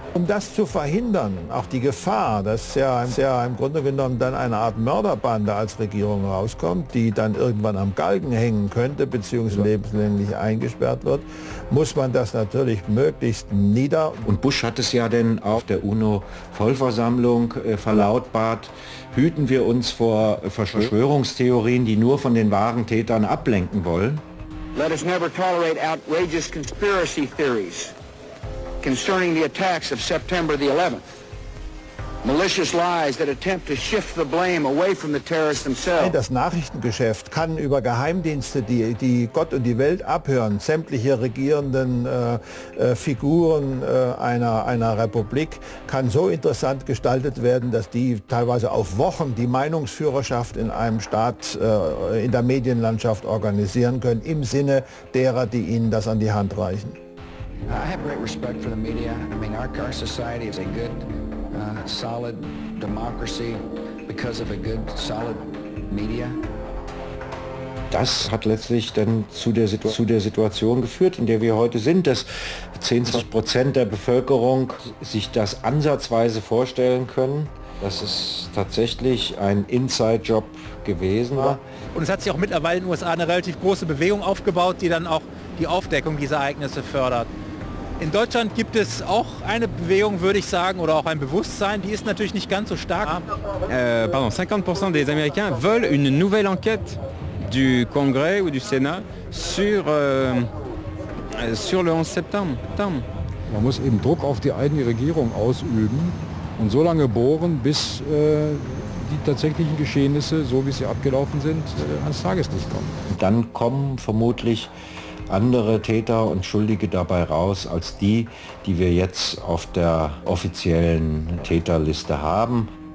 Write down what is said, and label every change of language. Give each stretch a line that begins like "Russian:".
German: Um das zu verhindern, auch die Gefahr, dass im Grunde genommen dann eine Art Mörderbande als Regierung rauskommt, die dann irgendwann am Galgen hängen könnte, beziehungsweise lebenslänglich eingesperrt wird, muss man das natürlich möglichst nieder... Und Bush hat es ja denn auf der UNO-Vollversammlung verlautbart, hüten wir uns vor Verschwörungstheorien, die nur von den wahren Tätern ablenken wollen.
English: Let us never tolerate outrageous conspiracy theories concerning the attacks of September the 11th. Malicious lies that attempt to shift the blame away from the terrorists themselves.
German: Das Nachrichtengeschäft kann über Geheimdienste, die Gott und die Welt abhören, sämtliche regierenden Figuren einer Republik, kann so interessant gestaltet werden, dass die teilweise auf Wochen die Meinungsführerschaft in einem Staat, in der Medienlandschaft organisieren können, im Sinne derer, die ihnen das an die Hand reichen.
English: I have great respect for the media. I mean, our society is a good... solid democracy because of a good solid media.
German: Das hat letztlich dann zu der Situation geführt, in der wir heute sind, dass 10% der Bevölkerung sich das ansatzweise vorstellen können, dass es tatsächlich ein Inside-Job gewesen war. Und es hat sich auch mittlerweile in den USA eine relativ große Bewegung aufgebaut, die dann auch die Aufdeckung dieser Ereignisse fördert. In Deutschland gibt es auch eine Bewegung, würde ich sagen, oder auch ein Bewusstsein, die ist natürlich nicht ganz so stark.
French: 50% des Américains veulent une nouvelle enquête du Congrès ou du Sénat sur sur le 11 septembre.
German: Man muss eben Druck auf die eigene Regierung ausüben und so lange bohren, bis die tatsächlichen Geschehnisse, so wie sie abgelaufen sind, ans Tageslicht kommen. Dann kommen vermutlich andere Täter und Schuldige dabei raus als die, die wir jetzt auf der offiziellen Täterliste haben.